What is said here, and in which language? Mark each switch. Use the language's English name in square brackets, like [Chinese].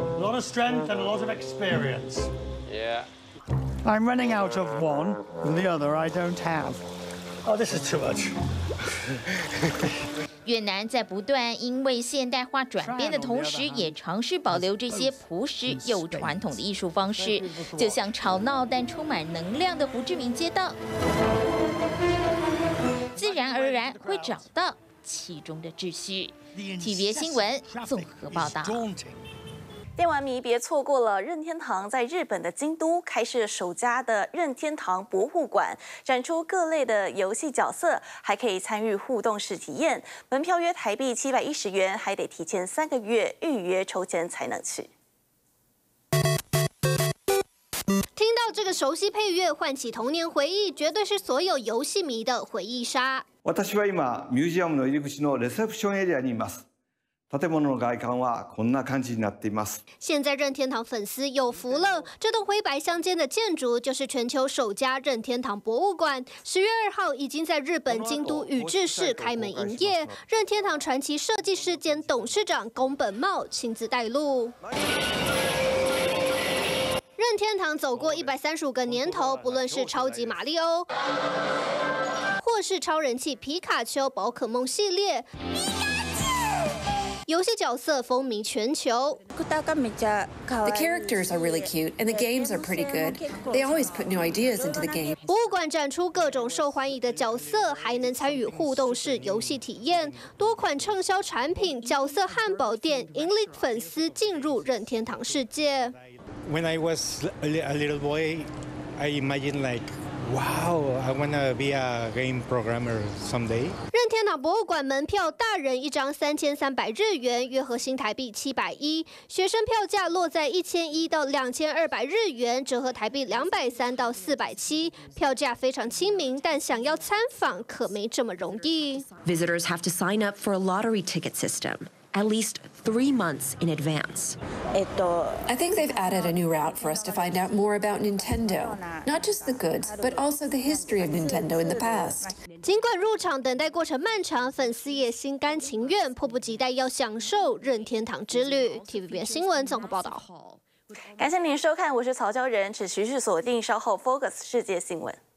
[English] A lot of strength and a lot of experience. Yeah. I'm running out of one, and the other I don't have. Oh, this is too much. [Chinese] 越南在不断因为现代化转变的同时，也尝试保留这些朴实又传统的艺术方式，就像吵闹但充满能量的胡志明街道，自然而然会找到其中的秩序。体别新闻综合报道。电玩迷别错过了任天堂在日本的京都开设首家的任天堂博物馆，展出各类的游戏角色，还可以参与互动式体验。门票约台币710元，还得提前3个月预约抽签才能去。听到这个熟悉配乐，唤起童年回忆，绝对是所有游戏迷的回忆杀。 [Japanese] 私は今ミュージアムの入り口のレセプションエリアにいます。建物の外観はこんな感じになっています。 [Chinese] 现在任天堂粉丝有福了，这栋灰白相间的建筑就是全球首家任天堂博物馆。 10月2号已经在日本京都宇治市开门营业。任天堂传奇设计师兼董事长宫本茂亲自带路。任天堂走过135个年头，不论是超级马里奥，或是超人气皮卡丘、宝可梦系列。游戏角色风靡全球。 [English] The characters are really cute, and the games are pretty good. They always put new ideas into the game. [Chinese] 博物馆展出各种受欢迎的角色，还能参与互动式游戏体验。多款畅销产品、角色汉堡店，引领粉丝进入任天堂世界。 [English] When I was a little boy, I imagined like. Wow, I wanna be a game programmer someday. [Chinese] 任天堂博物馆门票大人一张3300日元，约合新台币710，学生票价落在1100到2200日元，折合台币230到470，票价非常亲民，但想要参访可没这么容易。 [English] Visitors have to sign up for a lottery ticket system. At least 3 months in advance. I think they've added a new route for us to find out more about Nintendo. Not just the goods, but also the history of Nintendo in the past. [Chinese] 尽管入场等待过程漫长，粉丝也心甘情愿，迫不及待要享受任天堂之旅。 TVBS 新闻综合报道。感谢您收看，我是曹娇仁，持续锁定稍后 Focus 世界新闻。